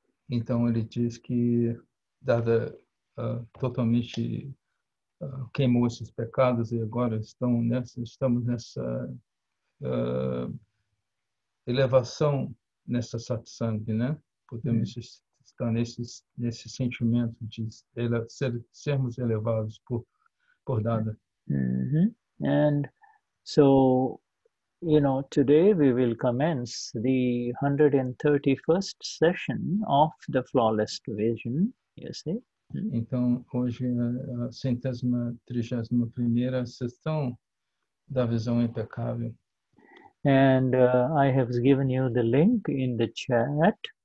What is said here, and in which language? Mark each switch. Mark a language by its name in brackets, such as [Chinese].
[Portuguese] Então ele diz que, dada totalmente queimou esses pecados e agora estamos nessa elevação, nessa satsang, né? Podemos estar nesse sentimento de sermos elevados por Dada. [English] And so, you know, today we will commence the 131st session of the flawless vision, you see. [Portuguese] Então hoje é a 131ª sessão da visão impecável. [English] And I have given you the link in the chat.